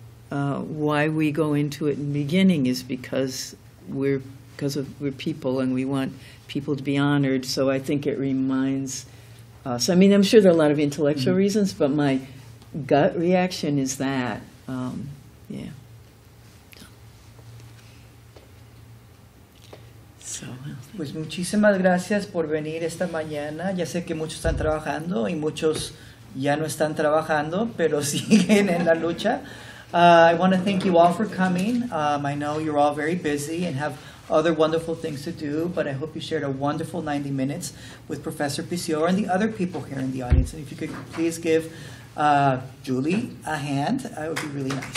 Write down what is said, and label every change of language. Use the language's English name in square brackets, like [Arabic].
[English] Why we go into it in the beginning is because we're people and we want people to be honored. So I think it reminds us. I mean, I'm sure there are a lot of intellectual mm-hmm. reasons, but my gut reaction is that, yeah. [Spanish] Pues muchísimas gracias por venir esta mañana. Ya sé que muchos están trabajando y muchos ya no están trabajando, pero siguen en la lucha. [English] I want to thank you all for coming. I know you're all very busy and have other wonderful things to do, but I hope you shared a wonderful 90 minutes with Professor Pisior and the other people here in the audience. And if you could please give Julie a hand, that would be really nice.